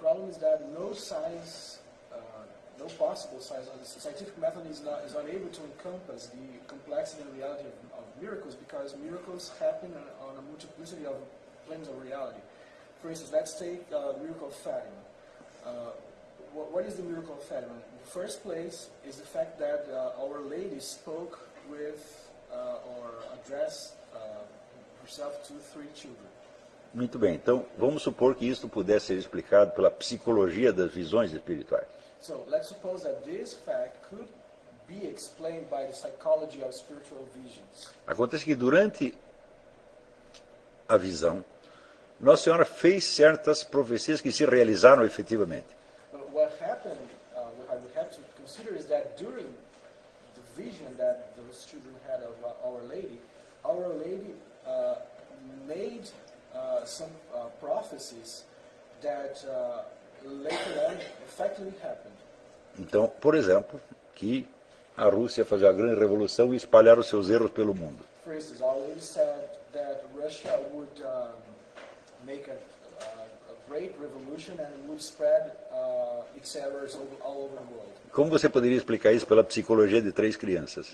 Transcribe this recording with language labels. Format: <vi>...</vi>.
<en>problem is that no science, no possible science, or the scientific method is unable to encompass the complexity and reality of miracles, because miracles happen on a multiplicity of planes of reality. For instance, let's take the miracle of Fatima. What is the miracle of Fatima? In the first place is the fact that Our Lady spoke with or addressed herself to three children.</en> <pt>Muito bem. Então, vamos supor que isto pudesse ser explicado pela psicologia das visões espirituais.</pt> <en>So, let's suppose that this fact could be explained by the psychology of spiritual visions.</en> <pt>Acontece que durante a visão, Nossa Senhora fez certas profecias que se realizaram efetivamente.</pt> <en>But what happened, what we have to consider is that during the vision that those children had of Our Lady, Our Lady made some prophecies that later on effectively happened.</en> <pt>Então, por exemplo, que a Rússia fazia a grande revolução e espalhar os seus erros pelo mundo.</pt> <en>For instance, Our Lady said that Russia would make a great revolution and would spread its errors all over the world.</en> <pt>Como você poderia explicar isso pela psicologia de três crianças?</pt>